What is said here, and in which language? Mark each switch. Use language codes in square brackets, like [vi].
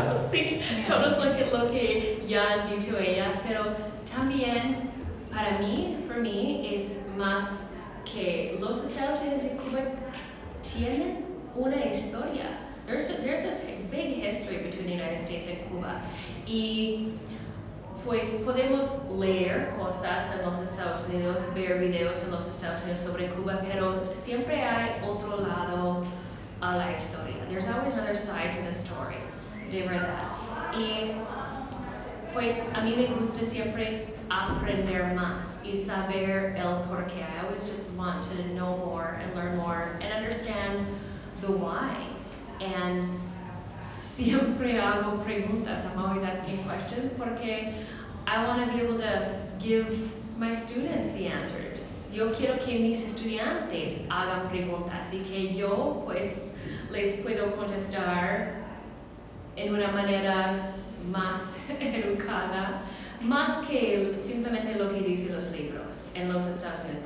[es] Sí, todos lo que ya han dicho ellas, pero también para mí, [en] for me, [es] es más que los Estados Unidos y Cuba tienen una historia. [en] There's a big history between the United States and Cuba. [es] Y pues podemos leer cosas en los Estados Unidos, ver videos en los Estados Unidos sobre Cuba, pero siempre hay otro lado a la historia. [en] There's always another side to the story, [es] de verdad. Y pues a mí me gusta siempre aprender más y saber el porqué. [en] I always just want to know more and learn more and understand the why. And [es] siempre hago preguntas. [en] I'm always asking questions [es] porque [en] I want to be able to give my students the answers. [es] Yo quiero que mis estudiantes hagan preguntas y que yo pues les puedo contestar en una manera más educada, más que simplemente lo que dicen los libros en los Estados Unidos.